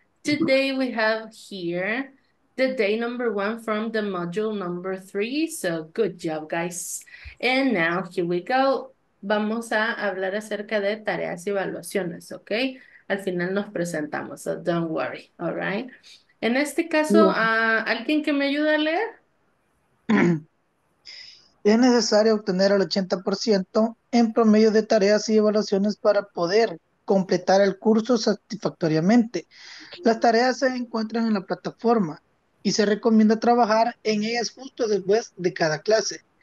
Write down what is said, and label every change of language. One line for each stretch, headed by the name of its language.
English: Today we have here the day number one from the module number three. So good job, guys. And now here we go.
Spanish: Vamos a hablar acerca de tareas y evaluaciones, okay? Al final nos presentamos,
English: so don't worry, all right?
Spanish: En este caso, ¿alguien que me ayude a leer? Es necesario obtener el 80% en promedio de tareas y evaluaciones para poder completar el curso satisfactoriamente. Las tareas se encuentran en la plataforma y se recomienda trabajar en ellas justo después de cada clase.